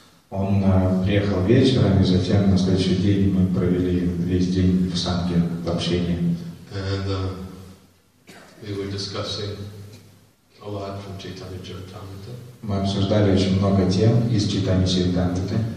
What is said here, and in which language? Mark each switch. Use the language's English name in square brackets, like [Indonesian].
[Russian] Он приехал вечером, и затем на следующий день мы провели весь день в Санге, в общении. [English] And we were discussing a lot from Chaitanya Charitamrita. [Russian] Мы обсуждали очень много тем из Чайтаньи Чаритамриты.